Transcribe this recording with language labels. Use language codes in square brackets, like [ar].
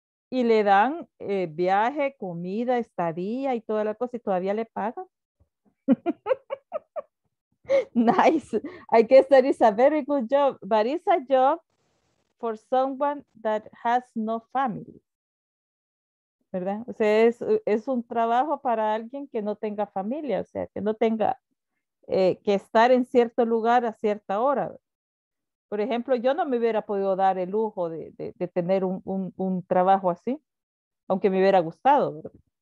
[es] Y le dan viaje, comida, estadía y toda la cosa y todavía le pagan. [en] Nice. I guess that is a very good job, but it's a job for someone that has no family. [es] ¿Verdad? O sea, es un trabajo para alguien que no tenga familia, o sea, que no tenga que estar en cierto lugar a cierta hora. Por ejemplo, yo no me hubiera podido dar el lujo de tener un trabajo así, aunque me hubiera gustado, ¿verdad?